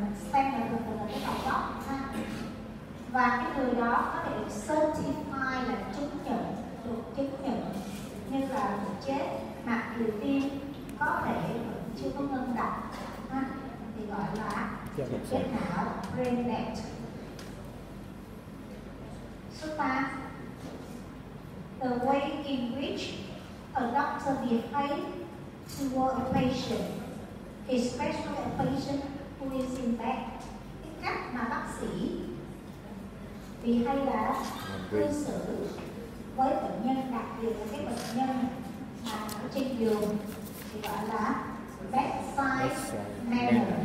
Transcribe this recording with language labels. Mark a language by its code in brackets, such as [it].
[vi] Stem là thường thường là tế bào gốc ha. Và cái người đó có thể certify là chứng nhận, được chứng nhận như là chết, mặc dù tim có thể chưa có ngưng đập ha, thì gọi là chết não, brain dead. [en] Số 3, the way in which a doctor behaves toward a patient, especially a patient who is in bed. [vi] Cái cách mà bác sĩ vì hay là cư xử với bệnh nhân, đặc biệt là cái bệnh nhân mà ở trên giường, thì gọi là bedside manner.